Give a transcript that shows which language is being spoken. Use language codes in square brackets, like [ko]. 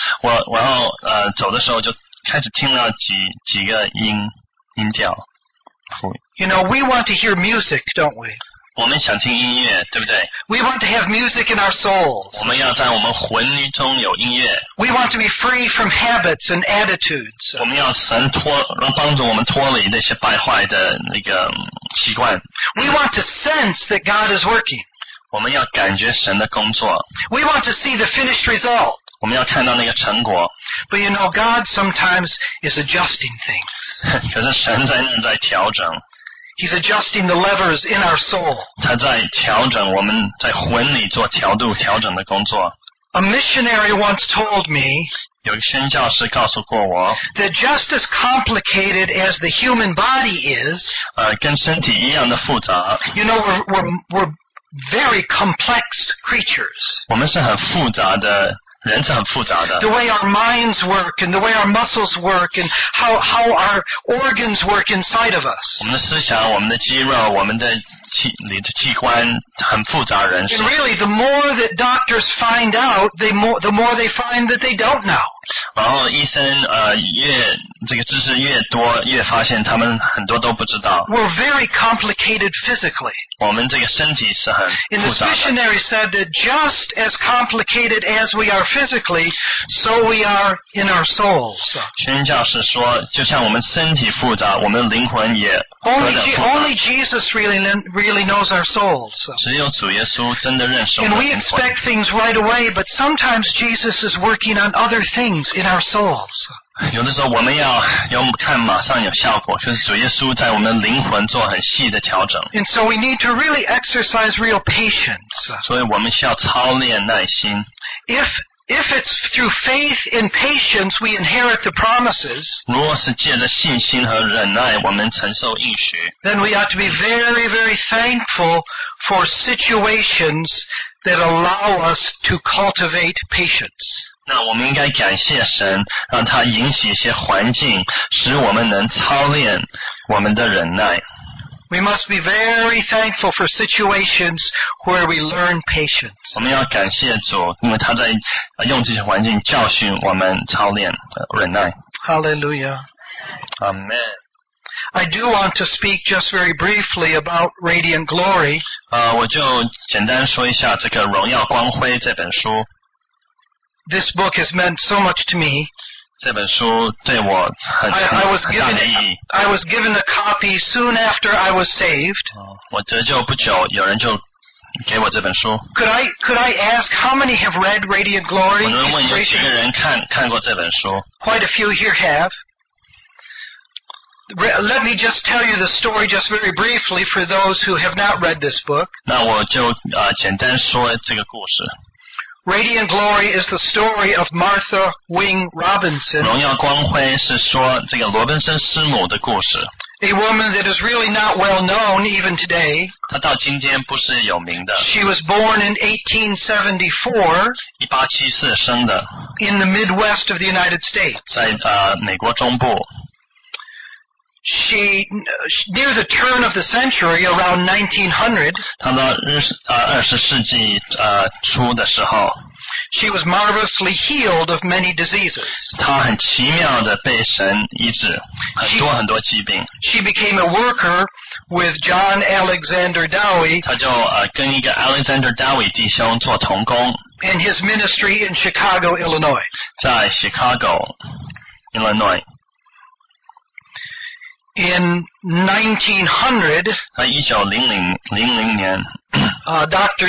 [zh] 我走的时候就开始听了几个音调。 [en] You know, we want to hear music, don't we? [zh] 我们想听音乐，对不对？ [en] We want to have music in our souls. [zh] 我们要在我们魂中有音乐。 [en] We want to be free from habits and attitudes. [zh] 我们要神帮助我们脱离那些败坏的那个习惯。 [en] We want to sense that God is working. [zh] 我们要感觉神的工作。 [en] We want to see the finished result. [zh] 我们要看到那个成果。 [en] But you know, God sometimes is adjusting things. [zh] 可是神在那在调整。 [en] He's adjusting the levers in our soul. [zh] 他在调整我们在魂里做调度调整的工作。 [en] A missionary once told me, [zh] 有一个宣教士告诉过我, [en] that just as complicated as the human body is, [zh] 跟身体一样的复杂, [en] you know, we're very complex creatures. [zh] 我们是很复杂的人是很复杂的。 [en] The way our minds work and the way our muscles work and how our organs work inside of us. [zh] 我们的思想，我们的肌肉，我们的器官很复杂人 [en] 是。And really, the more that doctors find out, the more they find that they don't know. [zh] 然后医生越这个知识越多，越发现他们很多都不知道。 [en] We're very complicated physically. [zh] 我们这个身体是很复杂的。 [en] And the missionary said that just as complicated as we are physically, so we are in our souls. [zh] 宣教士说，就像我们身体复杂，我们灵魂也 [en] 复杂。Only Jesus really knows our souls. [zh] 只有主耶稣真的认识我们的灵魂。 [en] And we expect things right away, but sometimes Jesus is working on other things in our souls. [zh] 有的时候我们要看马上有效果，就是主耶稣在我们灵魂做很细的调整。 [en] And so we need to really exercise real patience. [zh] 所以我们需要操练耐心。 [en] If it's through faith and patience we inherit the promises, [zh] 如果是借着信心和忍耐我们承受应许， [en] then we ought to be very, very thankful for situations that allow us to cultivate patience. [zh] 那我们应该感谢神，让他允许一些环境，使我们能操练我们的忍耐。 [en] We must be very thankful for situations where we learn patience. [zh] 我们要感谢主，因为他在用这些环境教训我们操练忍耐。 [en] Hallelujah. Amen. I do want to speak just very briefly about Radiant Glory. [zh] 我就简单说一下这个《荣耀光辉》这本书。 [en] This book has meant so much to me. [zh] 这本书对我很大的意义。 [en] I was given a copy soon after I was saved. [zh] 我得救不久，有人就给我这本书。 [en] Could I ask how many have read Radiant Glory? [zh] 我能问有几个人看过这本书？ [en] Quite a few here have. Let me just tell you the story just very briefly for those who have not read this book. [zh] 那我就简单说这个故事。 [en] Radiant Glory is the story of Martha Wing Robinson. [zh] 荣耀光辉是说这个罗宾森师母的故事。 [en] A woman that is really not well known even today. [zh] 她到今天不是有名的。 [en] She was born in 1874. [zh] 1874生的。 [en] In the Midwest of the United States. [zh] 在美国中部。 [en] She near the turn of the century, around 1900. [zh] 她到二十世纪初的时候。 [en] She was marvelously healed of many diseases. [zh] 她很奇妙的被神医治很多很多疾病。 [en] She became a worker with John Alexander Dowie. [zh] 她就跟一个 Alexander Dowie 弟兄做同工。 [en] And his ministry in Chicago, Illinois. [zh] 在 Chicago, Illinois. [en] In 1900, Dr.